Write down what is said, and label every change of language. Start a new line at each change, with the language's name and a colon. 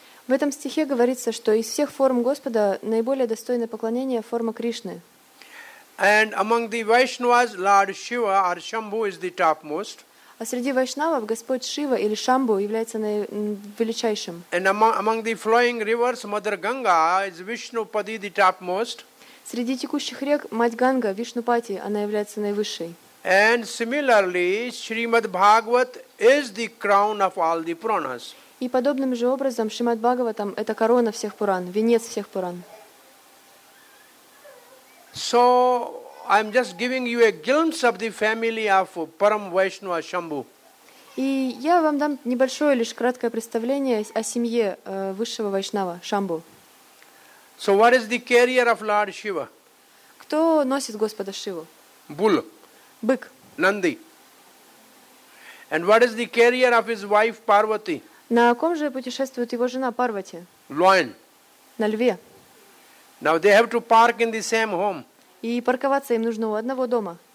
Russian: В этом стихе говорится, что из всех форм Господа наиболее достойное поклонение форма Кришны.
English: And among the Vaishnavas, Lord Shiva or Shambhu is the topmost.
Russian: А среди вайшнавов Господь Шива или Шамбу является величайшим.
English: And among the flowing rivers, Mother Ganga is Vishnupadi the topmost.
Russian: Среди текущих рек Мать Ганга, Вишнупати, она является наивысшей.
English: And similarly, Srimad Bhagavat is the crown of all the Puranas.
Russian: И подобным же образом Шримад Бхагаватам это корона всех Пуран, венец всех Пуран.
English: So I'm just giving you a glimpse of the family of Param Vaishnava Shambhu.
Russian: И я вам дам небольшое лишь краткое представление о семье высшего вайшнава Шамбу.
English: So what is the carrier of Lord Shiva?
Russian: Кто носит Господа Шиву?
English: Bull.
Russian: Бык.
English: Nandi. And what is the carrier of his wife Parvati?
Russian: На ком же путешествует его жена Парвати?
English: Lion.
Russian: На льве.
English: Now they have to park in the same home.
Russian: И парковаться им нужно у одного дома.